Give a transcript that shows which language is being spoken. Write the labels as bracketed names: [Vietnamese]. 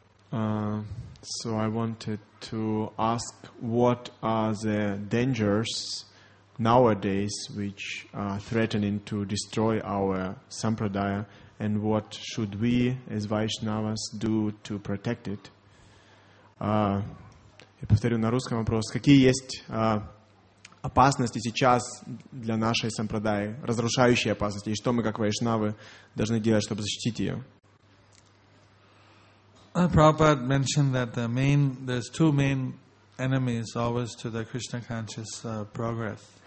[English] So I wanted to ask, what are the dangers nowadays which are threatening to destroy our sampradaya, and what should we as Vaishnavas do to protect it? [Russian] Я повторю на русском вопрос. Какие есть опасности сейчас для нашей сампрадаи, разрушающие опасности, и что мы как Вайшнавы должны делать, чтобы защитить ее? [English] Prabhupada mentioned that there's two main enemies always to the Krishna conscious progress.